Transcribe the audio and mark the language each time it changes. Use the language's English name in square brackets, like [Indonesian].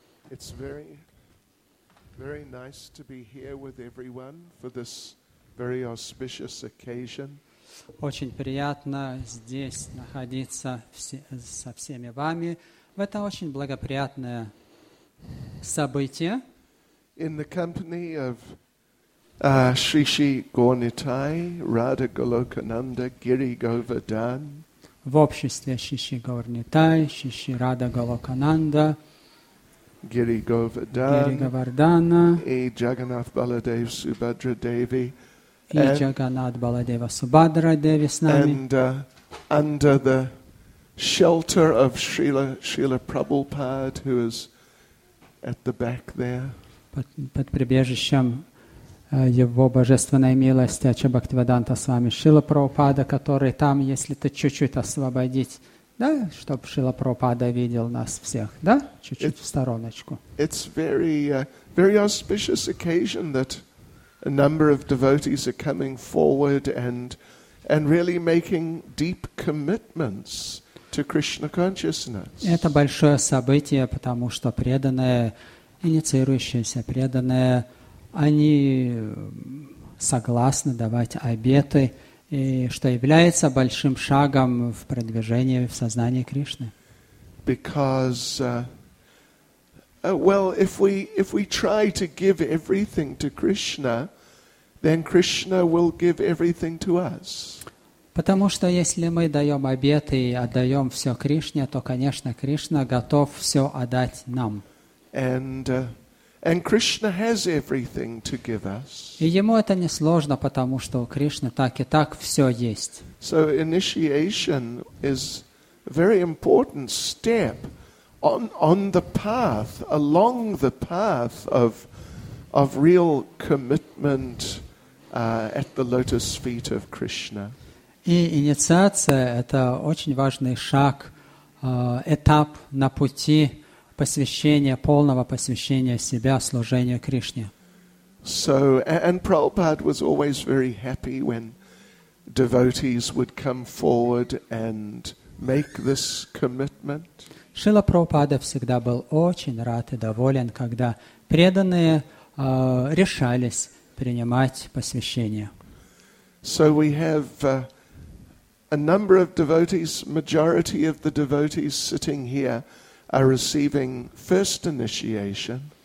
[English] It's very, very nice to be here with everyone for this very auspicious occasion. [Russian] Очень приятно здесь находиться со всеми вами в это очень благоприятное событие. [English] In the company of Shri Shri Gornitai, Radha Golokananda, Giri Govardhan. [Russian] В обществе Шиши Говардхан, Шиши Рада Голокананда, Гири Говардхана, и Джаганат Баладева Субхадра Деви, и Джаганат Баладева Субхадра Деви с нами, [English] and under the shelter of Шрила Прабхупада, who is at the back there. [Russian] Под прибежищем Его божественной милости Ачабхактивиданта с вами Шрила Прабхупада, который там, если ты чуть-чуть освободить, да, чтобы Шрила Прабхупада видел нас всех, да, чуть-чуть в стороночку. [English] It's very, very auspicious occasion that a number of devotees are coming forward and really making deep commitments to Krishna consciousness. [Russian] Это большое событие, потому что преданные, инициирующиеся преданные, они согласны давать обеты, и что является большим шагом в продвижении в сознании Кришны. [English] Because, well, if we try to give everything to Krishna, then Krishna will give everything to us. [Russian] Потому что если мы даем обеты и отдаем все Кришне, то, конечно, Кришна готов все отдать нам. [English] And Krishna has everything to give us. [Russian] И ему это не сложно, потому что у Кришны так и так все есть. [English] So initiation is a very important step on the path, along the path of real commitment at the lotus feet of Krishna. [Russian] И инициация — это очень важный шаг, этап на пути посвящение, полного посвящения себя служению Кришне. [English] So, and Prabhupada was always very happy when devotees would come forward and make this commitment. [Russian] Шрила Прабхупада всегда был очень рад и доволен, когда преданные решались принимать посвящение. [English] So we have a number of devotees, majority of the devotees sitting here are receiving first initiation.